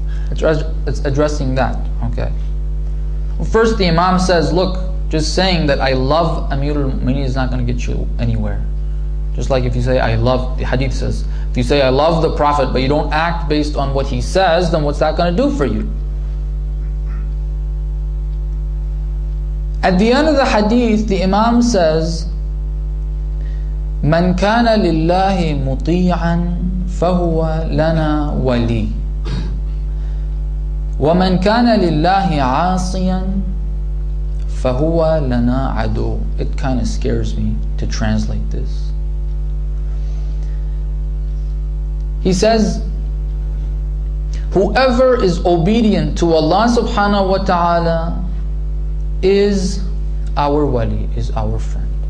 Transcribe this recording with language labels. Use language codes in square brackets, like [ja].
[en] It's addressing that, okay. First, the Imam says, look, just saying that I love Amirul Mu'mineen is not going to get you anywhere. Just like if you say, I love, the hadith says, if you say, I love the Prophet, but you don't act based on what he says, then what's that going to do for you? At the end of the hadith, the Imam says, [ar] مَنْ كَانَ لِلَّهِ مُطِيعًا فَهُوَ لَنَا وَلِي وَمَنْ كَانَ لِلَّهِ عَاصِيًا فَهُوَ لَنَا عَدُوٌ. [en] It kind of scares me to translate this. He says, whoever is obedient to Allah subhanahu wa ta'ala is our wali, is our friend.